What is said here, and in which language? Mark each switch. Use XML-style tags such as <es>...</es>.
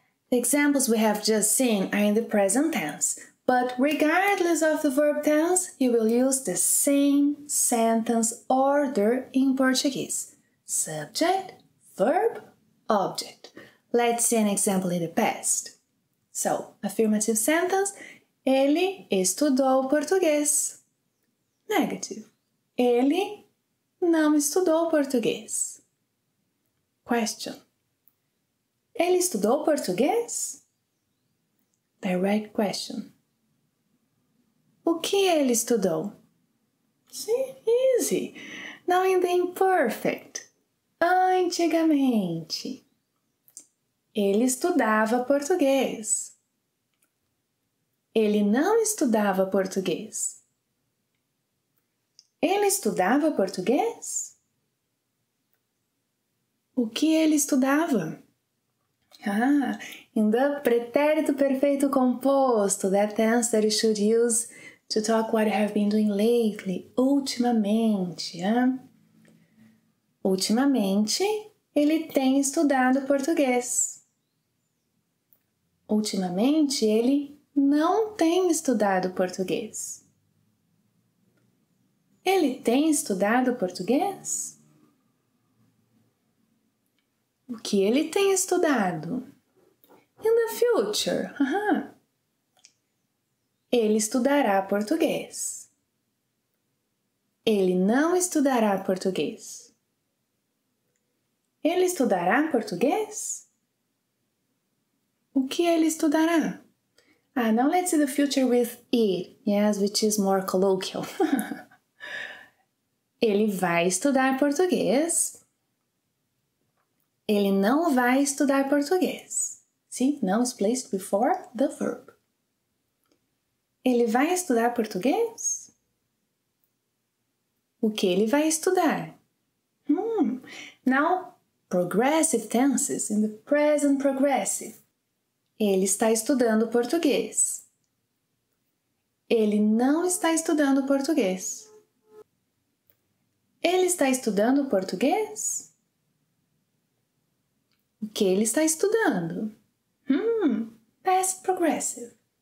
<en>The examples we have just seen are in the present tense. But regardless of the verb tense, you will use the same sentence order in Portuguese. Subject, verb, object. Let's see an example in the past. So, affirmative sentence.</en> <pt>Ele estudou português.</pt> <en>Negative.</en> <pt>Ele não estudou português.</pt> <en>Question.</en> <pt>Ele estudou português? Direct question. O que ele estudou?</pt> <en>See? Easy. Now in the imperfect. Antigamente.</en> <pt>Ele estudava português. Ele não estudava português. Ele estudava português? O que ele estudava?</pt> <en>Ah, in the pretérito perfeito composto, that tense that you should use to talk what I have been doing lately, ultimamente, yeah?</en> <pt>Ultimamente, ele tem estudado português. Ultimamente, ele não tem estudado português. Ele tem estudado português? O que ele tem estudado?</pt> <en>In the future,</en> <pt>Ele estudará português. Ele não estudará português. Ele estudará português? O que ele estudará?</pt> <en>Ah, now let's see the future with it. Yes, which is more colloquial.</en> <pt>Ele vai estudar português. Ele não vai estudar português.</pt> <en>See, now it's placed before the verb.</en> <pt>Ele vai estudar português? O que ele vai estudar?</pt> <en>Now, progressive tenses in the present progressive.</en> <pt>Ele está estudando português. Ele não está estudando português. Ele está estudando português? O que ele está estudando?</pt> <en>Past progressive.</en>